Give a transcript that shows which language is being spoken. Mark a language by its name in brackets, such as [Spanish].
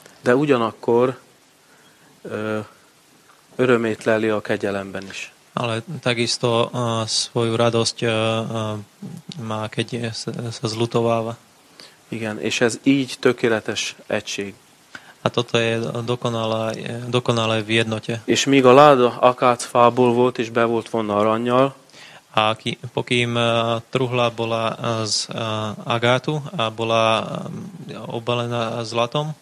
[Hungarian] De ugyanakkor örömét leli a kegyelemben is. [Slovak] Ale takisto svoju radosť má, keď sa zlutováva. [Hungarian] Igen, és ez így tökéletes egység. [Slovak] A toto je dokonalé v jednote. [Hungarian] És míg a láda akácfából volt, és be volt vonna arannyal. [Slovak] A pokým truhla bola z agátu a bola obalená zlatom.